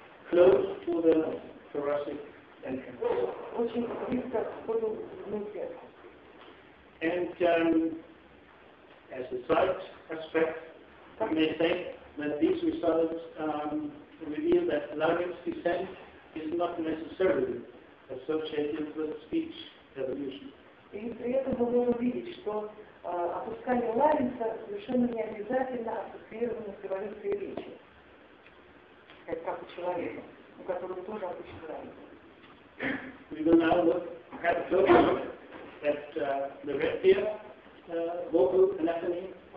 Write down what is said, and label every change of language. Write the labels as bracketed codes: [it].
[en] Close to the thoracic entrance. And as a side aspect, we may say that these results reveal that larynx descent is not necessarily associated with speech evolution. [ru] И при этом мы можем видеть, что опускание ларинца совершенно не обязательно ассоциировано с эволюцией речи, как у человека, у которого тоже опущен ларинец. [en] We will now look at the red ear vocal anatomy.